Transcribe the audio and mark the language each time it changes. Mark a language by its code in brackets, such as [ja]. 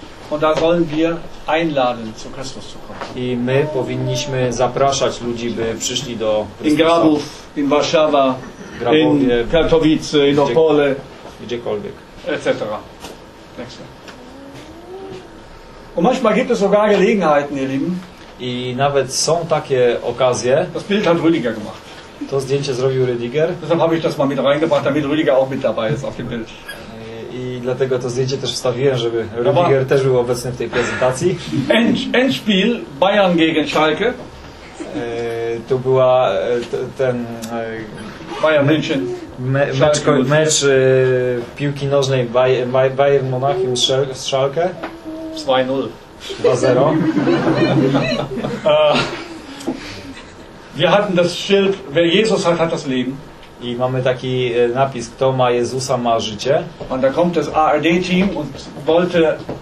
[de] Und da sollen wir einladen zu Christus zu kommen. [pl] I my powinniśmy zapraszać ludzi, by przyszli do Chrystusa. [de] In Grabów, in Warszawa, in Katowice, in Opole, [pl] gdziekolwiek. Etc. [de] Und manchmal gibt es sogar Gelegenheiten, ihr Lieben. [pl] I nawet są takie okazje. [de] Das Bild hat Rüdiger gemacht. [pl] To zdjęcie zrobił Rüdiger. [de] Deshalb habe ich das mal mit reingebracht, damit Rüdiger auch mit dabei ist auf dem Bild. [pl] I dlatego to zdjęcie też wstawiłem, żeby Rüdiger też był obecny w tej prezentacji. [de] Endspiel Bayern gegen Schalke. [pl] To była ten [de] Bayern München. [pl] Mecz piłki nożnej Bayern Monachium z Schalke. 2-0. 2-0. [de] Wir hatten das Schild, wer Jesus hat, hat das Leben. [pl] I mamy taki napis, kto ma Jezusa, ma życie. [de] Und da kommt das ARD Team und wollte